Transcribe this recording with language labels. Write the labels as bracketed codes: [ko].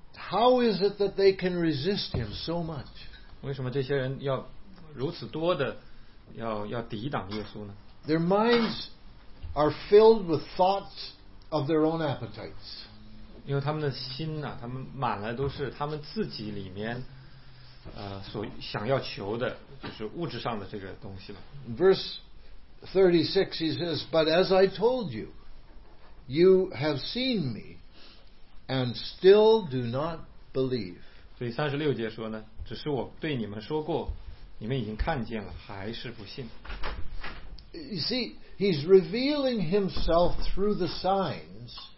[en] How is it that they can resist him so much? [zh] 为什么这些人要如此多的要抵挡耶稣呢？ [en] Their minds are filled with thoughts of their own appetites. [zh] 因为他们的心呢、啊，他们满了都是他们自己里面，所想要求的，就是物质上的这个东西了。 [en] Verse 36, he says, "But as I told you, you have seen me, and still do not believe." [zh] 所以三十六节说呢，只是我对你们说过，你们已经看见了，还是不信。 [en] You see, he's revealing himself through the signs.